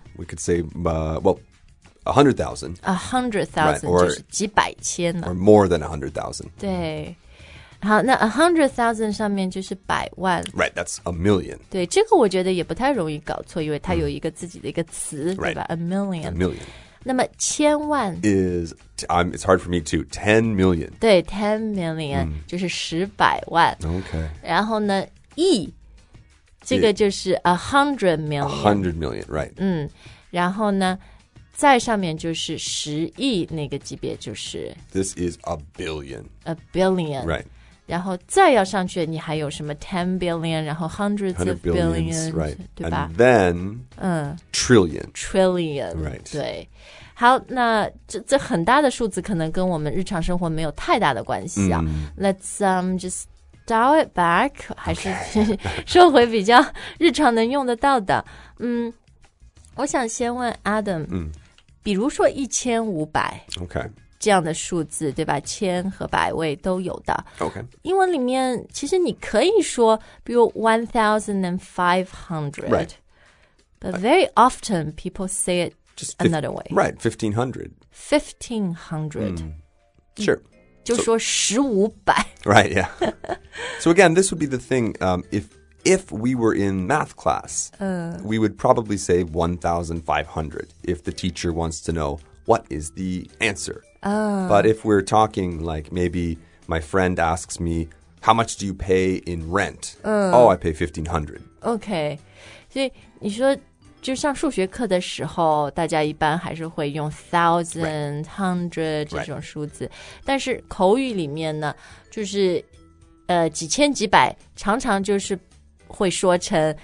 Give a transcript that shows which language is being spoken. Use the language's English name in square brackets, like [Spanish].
[English] We could say, well, 100,000 100,000 or [Chinese] 几百千 [English] Or more than 100,000 [Chinese] 对好，那 100,000 上面就是百万 [English] Right, that's a million [Chinese] 对，这个我觉得也不太容易搞错因为它有一个自己的一个词、 [English] right. [Chinese] 对吧 [English] A million A million [Chinese] 那么千万 [English] Is, it's hard for me too 10 million [Chinese] 对 [English] 10 million、 [Chinese] 就是十百万 [English] OK [Chinese] 然后呢亿这个就是 [English] 100 million 100 million, right [Chinese] 然后呢再上面就是十亿那个级别就是 [English] This is a billion. A billion. Right. 然后再要上去你还有什么 10 billion, 然后 hundreds of billions. Right. [Chinese] 对吧 [English] And then, trillion. Trillion. Right. [Chinese] 对。好那 这很大的数字可能跟我们日常生活没有太大的关系啊。 [English] Let's just dial it back, [Chinese] 还是、 [English] okay. [Chinese] 说回比较日常能用得到的。我想先问 Adam, 比如说1500 [English] okay. [Chinese] 这样的数字对吧千和百位都有的 [English] okay. [Chinese] 英文里面其实你可以说比如 1500 [English] right. But very often people say it just another way Right, 1500 1500 Sure [Chinese] 就说1500 [English] Right, yeah So again, this would be the thing If we were in math class, we would probably say 1,500 if the teacher wants to know what is the answer. But if we're talking like maybe my friend asks me, how much do you pay in rent? I pay 1,500. Okay. [Chinese] 所以你说就上数学课的时候大家一般还是会用 thousand, hundred 这种数字、 [English] right. [Chinese] 但是口语里面呢就是几千几百常常就是会说成